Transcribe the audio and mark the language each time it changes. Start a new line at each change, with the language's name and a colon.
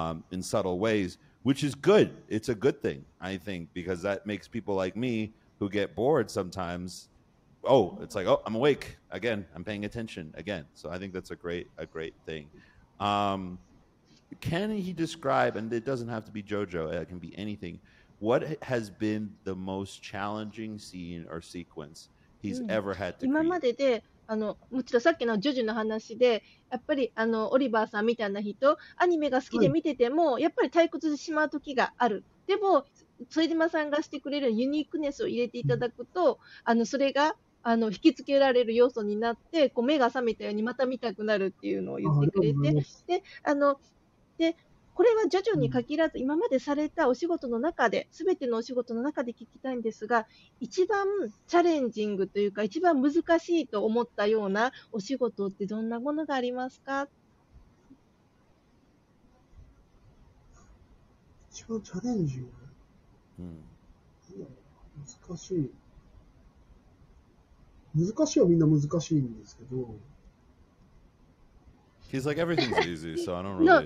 English: In subtle ways, which is good. It's a good thing, I think, because that makes people like me who get bored sometimes, oh, it's like, oh, I'm awake again. I'm paying attention again. So I think that's a great thing. Can he describe, and it doesn't have to be JoJo, it can be anything, what has been the most challenging scene or sequence he's ever had to create?
Japanese: あのもちろんさっきのジョジュの話でやっぱりあのオリバーさんみたいな人アニメが好きで見てても、はい、やっぱり退屈してしまう時がある。でも副島さんがしてくれるユニークネスを入れていただくと、あのそれがあの引きつけられる要素になって、こう目が覚めたようにまた見たくなるっていうのを言ってくれて、でこれはジョジュに限らず今までされたお仕事の中で、すべてのお仕事の中で聞きたいんですが、一番チャレンジングというか一番難しいと思ったようなお仕事ってどんなものがありますか？一番チャレンジング、難しい、難しいはみんな難しいんですけど、
English: He's like, everything's easy, so I don't really...